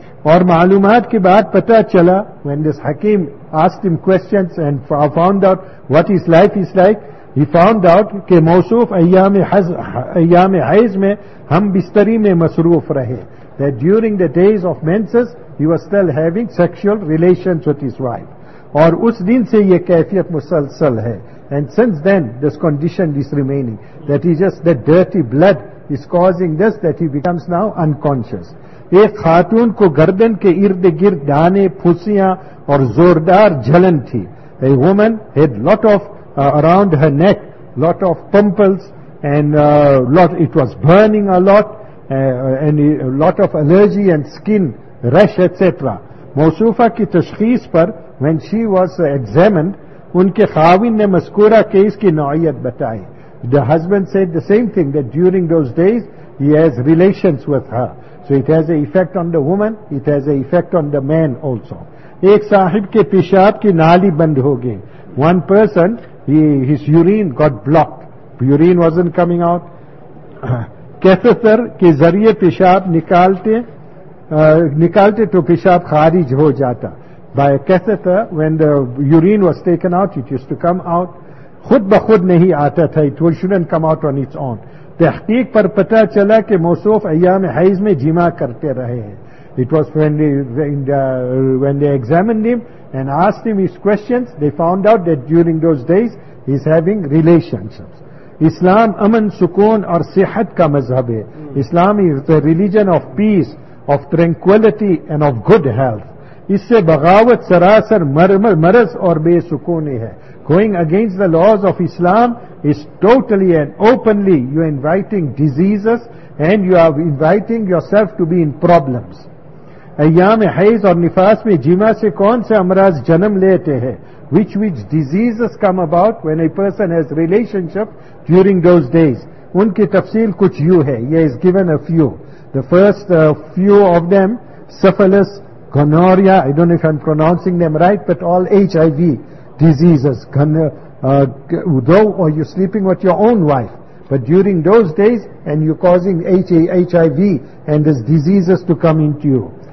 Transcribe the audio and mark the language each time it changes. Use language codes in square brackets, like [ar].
[ur] اور معلومات کے بعد پتا چلا, [en] when this حکیم asked him questions and found out what his life is like, he found out [ur] کہ موصوف ایام حیض میں ہم بستری میں مصروف رہے, [en] that during the days of menses he was still having sexual relations with his wife. [ur] اور اس دن سے یہ کیفیت مسلسل ہے, [en] and since then this condition is remaining, that he just, that dirty blood is causing this, that he becomes now unconscious. [ur] ایک خاتون کو گردن کے ارد گرد دانے پھوسیاں اور زوردار جلن تھی. [en] A woman had lot of around her neck, lot of pimples, and lot it was burning a lot, and a lot of allergy and skin rash, etc. [ur] موصوفہ کی تشخیص پر [en] when she was examined, [ur] ان کے خاوند نے مذکورہ case کی نوعیت بتائی. [en] The husband said the same thing, that during those days he has relations with her, so it has an effect on the woman, it has an effect on the man also. [ur] ایک صاحب کے پیشاب کی نالی بند ہو گئی. [en] One person, his urine got blocked, urine wasn't coming out. [ur] Catheter کے ذریعے پیشاب نکالتے تو پیشاب خارج ہو جاتا. [en] By a catheter, when the urine was taken out, it used to come out. [ur] خود بخود نہیں آتا تھا, [en] it shouldn't come out on its own. [ur] تحقیق پر پتا چلا کہ موصوف ایام حیض میں جمع کرتے رہے ہیں. [en] It was when they examined him and asked him his questions, they found out that during those days he is having relationships. [ur] Islam امن سکون اور صحت کا مذہب ہے. [en] Islam is a religion of peace, of tranquility and of good health. [ur] اس سے بغاوت سراسر مرض اور بے سکونی ہے. [en] Going against the laws of Islam is totally and openly you are inviting diseases and you are inviting yourself to be in problems. [ur] ایام حیض اور نفاس میں جمع سے کون سے امراض جنم لیتے ہیں؟ [en] Which diseases come about when a person has relationship during those days? [ur] ان کی تفصیل کچھ یوں ہے. [en] یہ is given a few. The first few of them, syphilis, gonorrhea, I don't know if I'm pronouncing them right, but all HIV diseases. Though or you're sleeping with your own wife, but during those days and you're causing HIV and these diseases to come into you.